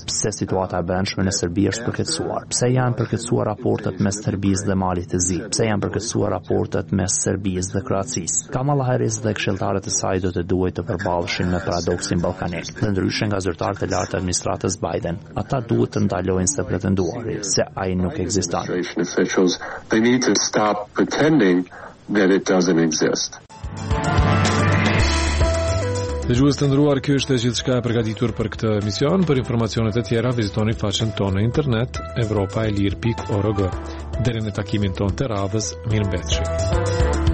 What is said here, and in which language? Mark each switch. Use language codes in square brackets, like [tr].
[sq] Pse situata e brendshme në Serbi është përkeqësuar? Pse janë përkeqësuar raportet mes Serbisë dhe Malit të Zi? Pse janë përkeqësuar raportet mes Serbisë dhe Kroacisë? Kamala Harris dhe këshilltarët e saj do të duhet të përballeshin me paradoksin ballkanik, ndryshe nga zyrtarët e lartë të administratës Biden. Ata duhet të ndalojnë se pretenduari, se ai nuk ekziston. [en] They need to stop pretending that it doesn't exist. [sq] Dhe gjuhës të ndruar, kjo është e gjithë shka e përgatitur për këtë emision. Për informacionet e tjera, vizitoni faqen tonë në internet, europaelir.org. Deri në takimin tonë të radhës, mirëmbetje.